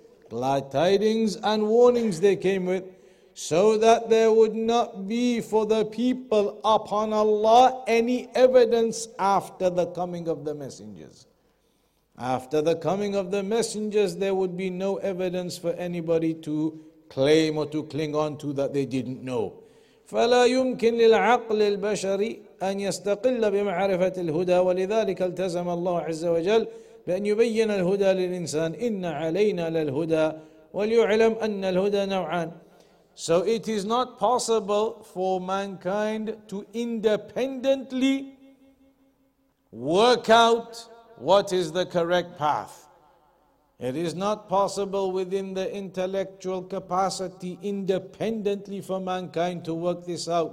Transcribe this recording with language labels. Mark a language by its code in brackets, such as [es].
[en] Glad tidings and warnings they came with, so that there would not be for the people upon Allah any evidence after the coming of the messengers. After the coming of the messengers, there would be no evidence for anybody to claim or to cling on to that they didn't know. [ar] فَلَا يُمْكِنْ لِلْعَقْلِ الْبَشَرِ أَنْ يَسْتَقِلَّ بِمَعْرِفَةِ الْهُدَى وَلِذَلِكَ الْتَزَمَ اللَّهُ عَزَّ وَجَلْ بأن يبين الهدى للإنسان إن علينا للهدى وليعلم أن الهدى نوعان. [en] So it is not possible for mankind to independently work out what is the correct path. It is not possible within the intellectual capacity independently for mankind to work this out.